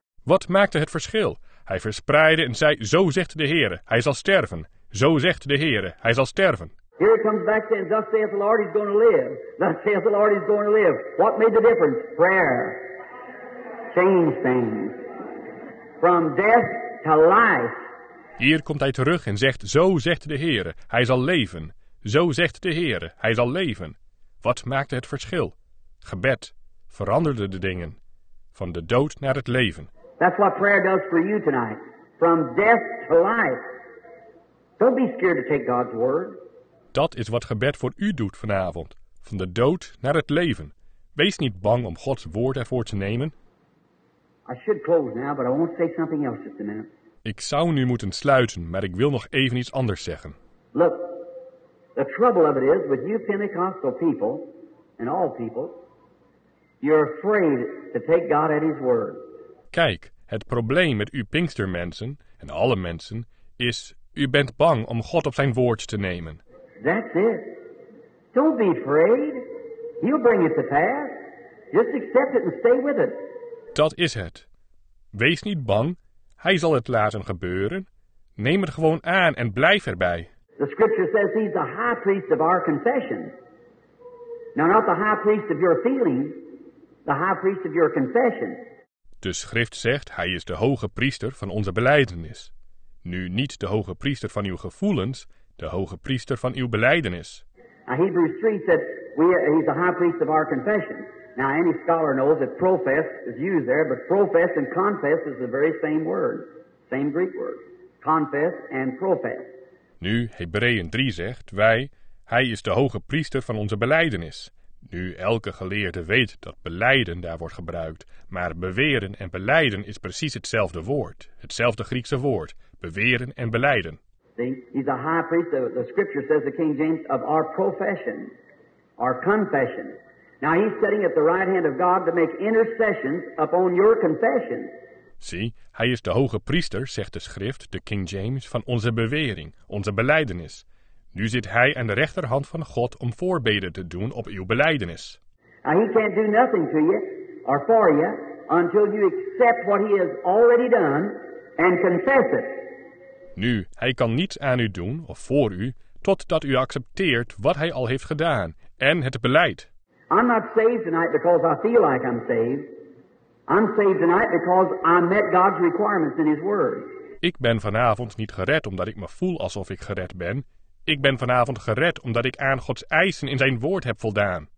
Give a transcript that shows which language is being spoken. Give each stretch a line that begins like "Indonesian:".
Dutch: Wat maakte het verschil? Hij verspreidde en zei, zo zegt de Heere, hij zal sterven. Zo zegt de Heere, hij zal sterven.
English: Here he comes back saying, thus saith the Lord, he's going to live. Thus saith the Lord, he's going to live. What made the difference? Prayer. Change things. From death to life.
Dutch: Hier komt hij terug en zegt, zo zegt de Heere, hij zal leven. Zo zegt de Heere, hij zal leven. Wat maakte het verschil? Gebed. Veranderde de dingen. Van de dood naar het leven.
English: That's what prayer does for you tonight. From death to life. Don't be scared to take God's word.
Dutch: Dat is wat gebed voor u doet vanavond. Van de dood naar het leven. Wees niet bang om Gods woord ervoor te nemen.
English: I should close now, but I want to say something else just a minute.
Dutch: Ik zou nu moeten sluiten, maar ik wil nog even iets anders zeggen.
English: Look, the trouble of it is with you Pentecostal people and all people, you're afraid to take God at his word.
Dutch: Kijk, het probleem met u Pinkstermensen en alle mensen is, u bent bang om God op zijn woord te nemen.
English: That's it. Don't be afraid. He'll bring it to pass. Just accept it and stay with it.
Dutch: Dat is het. Wees niet bang. Hij zal het laten gebeuren. Neem het gewoon aan en blijf erbij.
English: The scripture says he's the high priest of our confession. Now not the high priest of your feelings, the high priest of your confession.
Dutch: De schrift zegt, hij is de hoge priester van onze belijdenis. Nu niet de hoge priester van uw gevoelens, de hoge priester van uw belijdenis.
English: Now Hebrews 3 said, he's the high priest of our confession. Now any scholar knows that profess is used there, but profess and confess is the very same word. Same Greek word. Confess and profess.
Dutch: Nu, Hebreeën 3 zegt, wij, hij is de hoge priester van onze belijdenis. Nu, elke geleerde weet dat belijden daar wordt gebruikt, maar beweren en belijden is precies hetzelfde woord, hetzelfde Griekse woord, beweren en belijden.
English: See, he's a high priest, the scripture says, the King James, of our profession, our confession. Now he's sitting at the right hand of God to make intercessions upon your confession.
Dutch: Zie, hij is de hoge priester, zegt de schrift, de King James, van onze bewering, onze belijdenis. Nu zit hij aan de rechterhand van God om voorbeden te doen op uw belijdenis.
English: Now he can't do nothing to you or for you until you accept what he has already done and confess it.
Dutch: Nu, hij kan niets aan u doen of voor u totdat u accepteert wat hij al heeft gedaan en het beleid.
English: I'm not saved tonight because I feel like I'm saved. I'm saved tonight because I met God's requirements in His Word.
Dutch: Ik ben vanavond niet gered omdat ik me voel alsof ik gered ben. Ik ben vanavond gered omdat ik aan Gods eisen in zijn woord heb voldaan.